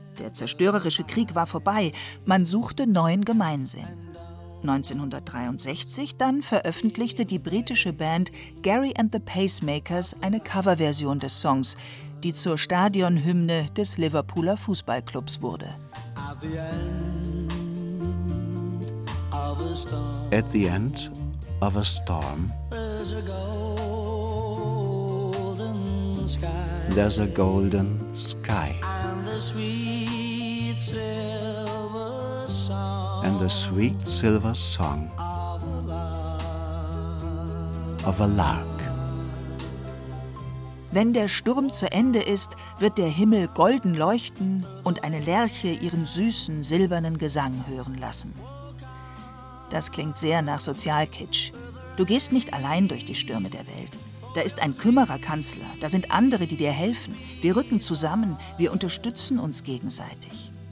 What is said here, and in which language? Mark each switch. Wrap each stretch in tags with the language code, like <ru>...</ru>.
<de>Der zerstörerische Krieg war vorbei, man suchte neuen Gemeinsinn. 1963 dann veröffentlichte die britische Band Gary and the Pacemakers eine Coverversion des Songs, die zur Stadionhymne des Liverpooler Fußballclubs wurde.</de> <en>At the end of a storm, there's a golden sky. And the sweet silver song. And the sweet silver song of a lark.</en> <de>Wenn der Sturm zu Ende ist, wird der Himmel golden leuchten und eine Lerche ihren süßen, silbernen Gesang hören lassen. Das klingt sehr nach Sozialkitsch. Du gehst nicht allein durch die Stürme der Welt. Da ist ein Kümmererkanzler, da sind andere, die dir helfen. Wir rücken zusammen, wir unterstützen uns gegenseitig.</de>